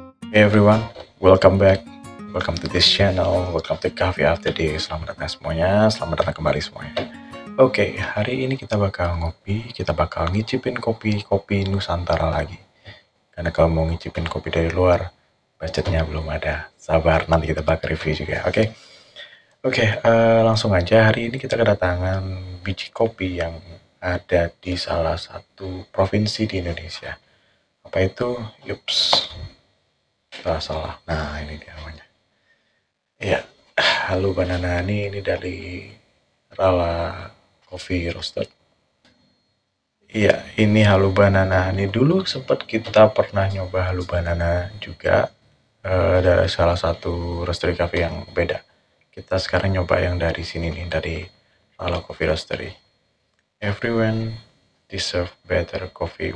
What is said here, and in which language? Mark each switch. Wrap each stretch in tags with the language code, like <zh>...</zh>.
<en>Hey everyone, welcome back. Welcome to this channel, welcome to Coffee After Day.</en> <id>Selamat datang semuanya, selamat datang kembali semuanya. Oke, hari ini kita bakal ngopi, kita bakal ngicipin kopi-kopi Nusantara lagi. Karena kalau mau ngicipin kopi dari luar, budgetnya belum ada. Sabar, nanti kita bakal review juga, oke? Oke, langsung aja, hari ini kita kedatangan biji kopi yang ada di salah satu provinsi di Indonesia. Apa itu? Yups, salah. Nah, ini dia namanya. Iya, Halo Banana, ini dari Rala Coffee Roasted. Iya, ini Halo Banana. Ini dulu sempat kita pernah nyoba Halo Banana juga. Dari salah satu roastery cafe yang beda. Kita sekarang nyoba yang dari sini nih, dari Rala Coffee Roastery.</id> <en>Everyone deserve better coffee.</en>